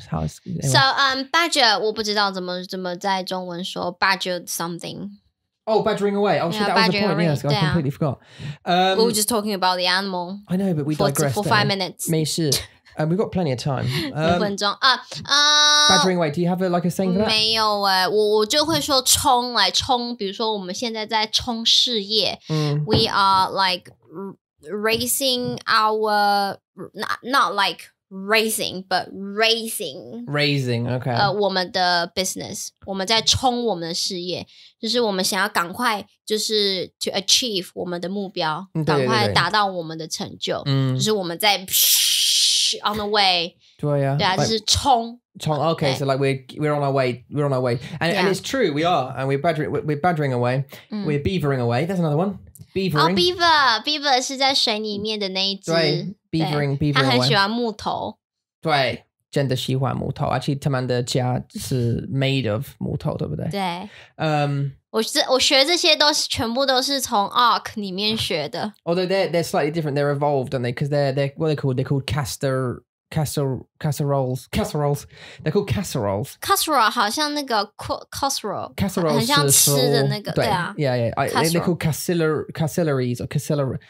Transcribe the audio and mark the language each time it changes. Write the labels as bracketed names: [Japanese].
[Chinese] So, badger, 我不知道怎么在中文说 badger something. [English] Oh, badgering away. Oh, yeah, that was the point, yes, I completely forgot. We were just talking about the animal. I know, but we digressed. For 5 minutes. [Chinese] 没事. [English] We've got plenty of time. [Chinese] 五分钟. [English] Badgering away, do you have a saying for that? [Chinese] 没有耶,我就会说冲来冲,比如说我们现在在冲事业。 [English] We are like... Racing our, not like racing, but raising, okay. [Chinese] 我们的 business, 我们在冲我们的事业，就是我们想要赶快就是 [English] to achieve [Chinese] 我们的目标，赶快达到我们的成就，就是我们在 [English] on the way. [Chinese] 对呀，对啊，就是冲。 [English] 冲 okay, so like we're on our way, we're on our way. And,and it's true, we are, and we're badgering away, we're beavering away, that's another one. Beavering. [Chinese] Oh, beaver 是在水里面的那一只。 [English] 对 ,beavering, beavering. [Chinese] 他很喜欢木头。对真的喜欢木头。 [English] Actually, [Chinese] 他们的家是 [English] made of [Chinese] 木头对不对对。我学这些都是全部都是从 Ark 里面学的。 [English] Although they're slightly different, they're evolved, aren't they? Because they're what are they called? They're called casseroles. They're called casseroles. Casserole 好像那个 casserole. Casserole [Chinese] 很像吃的那个 对啊。 [English] Yeah, yeah. They're called casseroles or casseroles.